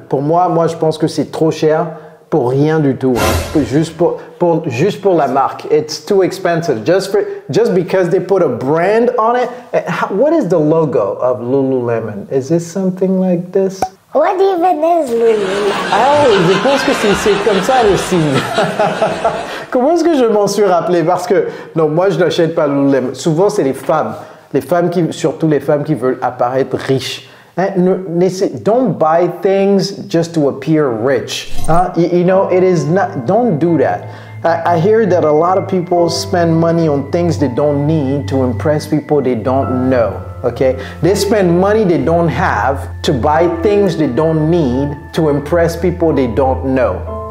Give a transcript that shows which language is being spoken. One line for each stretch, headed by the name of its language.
French: Pour moi, je pense que c'est trop cher pour rien du tout. Hein. Juste pour la marque.
English: It's too expensive. Just because they put a brand on it. What is the logo of Lululemon? Is this something like this? What even is Lululemon?
French: Ah, je pense que c'est comme ça le signe. Comment est-ce que je m'en suis rappelé? Parce que, non, moi je n'achète pas Lululemon. Souvent c'est les femmes. Les femmes qui, surtout les femmes qui veulent apparaître riches.
English: Hein? Don't buy things just to appear rich. Huh? You know, it is not, don't do that. I hear that a lot of people spend money on things they don't need to impress people they don't know. Okay, they spend money they don't have to buy things they don't need to impress people they don't know.